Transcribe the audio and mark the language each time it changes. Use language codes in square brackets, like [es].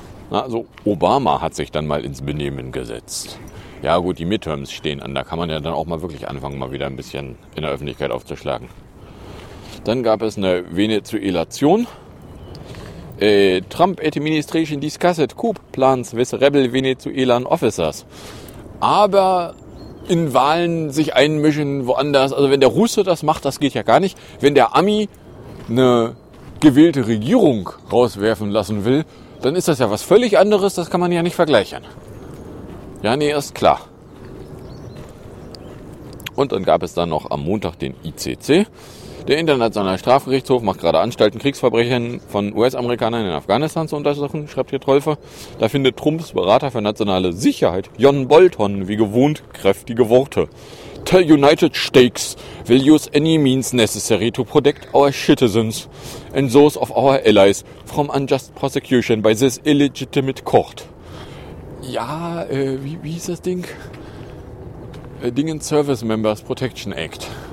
[de] Also Obama hat sich dann mal ins Benehmen gesetzt. Ja gut, die Midterms stehen an, da kann man ja dann auch mal wirklich anfangen, mal wieder ein bisschen in der Öffentlichkeit aufzuschlagen. Dann gab es eine Venezuelation. [en] Trump administration discussed coup plans with rebel Venezuelan officers. [de] Aber in Wahlen sich einmischen woanders. Also wenn der Russe das macht, das geht ja gar nicht. Wenn der Ami eine gewählte Regierung rauswerfen lassen will, dann ist das ja was völlig anderes. Das kann man ja nicht vergleichen. Ja, nee, ist klar. Und dann gab es dann noch am Montag den ICC. Der Internationale Strafgerichtshof macht gerade Anstalten, Kriegsverbrechen von US-Amerikanern in Afghanistan zu untersuchen, schreibt hier Trollfer. Da findet Trumps Berater für nationale Sicherheit, John Bolton, wie gewohnt kräftige Worte. [en] The United States will use any means necessary to protect our citizens and those of our allies from unjust prosecution by this illegitimate court. [de] Ja, wie hieß das Ding? Dingen Service Members Protection Act.